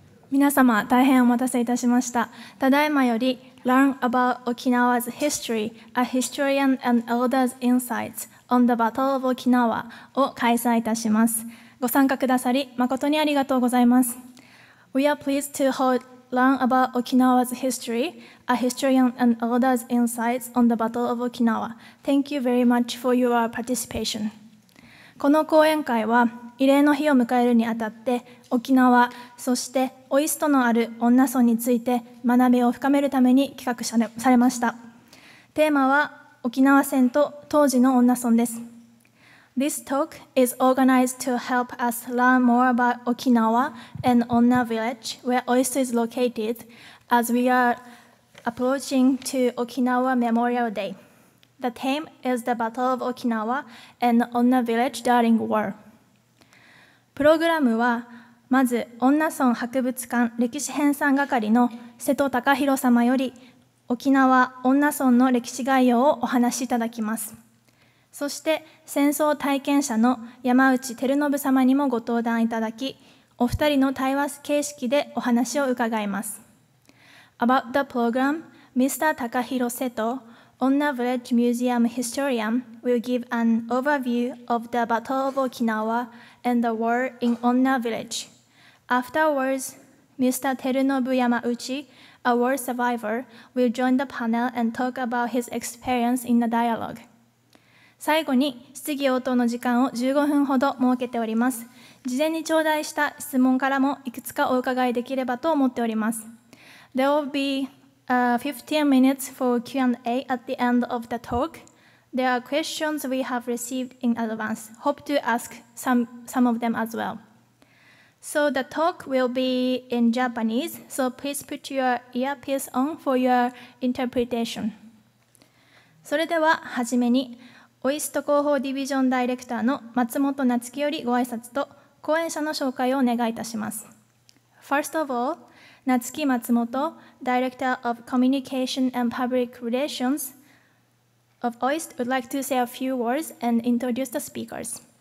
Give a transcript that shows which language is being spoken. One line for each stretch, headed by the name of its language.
Japanese: 皆様、大変お待たせいたしました。ただいまより、Learn about Okinawa's History, A Historian and Elder's Insights on the Battle of Okinawa を開催いたします。ご参加くださり、誠にありがとうございます。
English: We are pleased to hold Learn about Okinawa's History, A Historian and Elder's Insights on the Battle of Okinawa. Thank you very much for your participation.
Japanese: この講演会は、慰霊の日を迎えるにあたって、沖縄、そしてオイストのある恩納村について学びを深めるために企画されました。テーマは沖縄戦と当時の恩納村です。
English: This talk is organized to help us learn more about Okinawa and Onna Village, where Oisto is located, as we are approaching to Okinawa Memorial Day. The theme is the Battle of Okinawa and Onna Village during war.
Japanese: プログラムは、まず、恩納村博物館歴史編纂係の瀬戸隆弘様より、沖縄・恩納村の歴史概要をお話しいただきます。そして、戦争体験者の山内照信様にもご登壇いただき、お二人の対話形式でお話を伺います。
English: About the program, Mr. Takahiro Seto, Onna Village Museum Historian, will give an overview of the Battle of Okinawa. And the war in Onna Village. Afterwards, Mr. Terunobu Yamauchi, a war survivor, will join the panel and talk about his experience in the dialogue.
Japanese: 最後に質疑応答の時間を15分ほど設けております。事前に頂戴した質問からもいくつかお伺いできればと思っております。
English: There will be 15 minutes for Q&A at the end of the talk. There are questions we have received in advance. Hope to ask some of them as well. So the talk will be in Japanese, so please put your earpiece on for your interpretation.
Japanese: それでは、はじめに、オイスト広報ディビジョンダイレクターの松本夏樹よりご挨拶と、講演者の紹介をお願いいたします。
English: First of all, 夏樹松本、Director of Communication and Public Relations,Of OIST would like to say a few words and introduce the speakers.